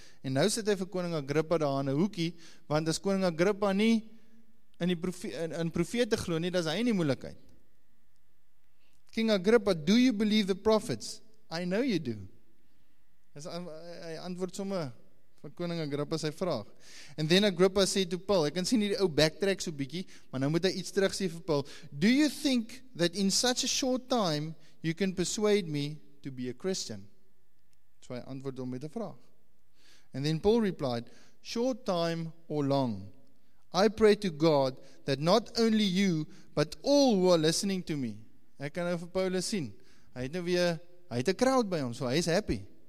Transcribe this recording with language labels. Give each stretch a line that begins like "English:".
Afrikaans: En nou sit hy vir koning Agrippa daar in 'n hoekie, want as koning Agrippa nie in die profete glo nie, dan is hy in die moeilikheid.
English: King Agrippa, do you believe the prophets? I know you do.
Afrikaans: Hy antwoord sommer van koning Agrippa sy vraag.
English: And then
Afrikaans: Agrippa sê to Paul, ek kan sien hierdie ou backtrack so bietjie, maar nou moet hy iets terug sê vir Paul.
English: Do you think that in such a short time you can persuade me to be a Christian?
Afrikaans: So hy antwoord hom met 'n vraag.
English: And then Paul replied, short time or long, I pray to God that not only you, but all who are listening to me.
Afrikaans: Ek kan nou vir Paulus sien. Hy het nou weer, hy het 'n crowd by hom, so hy is happy.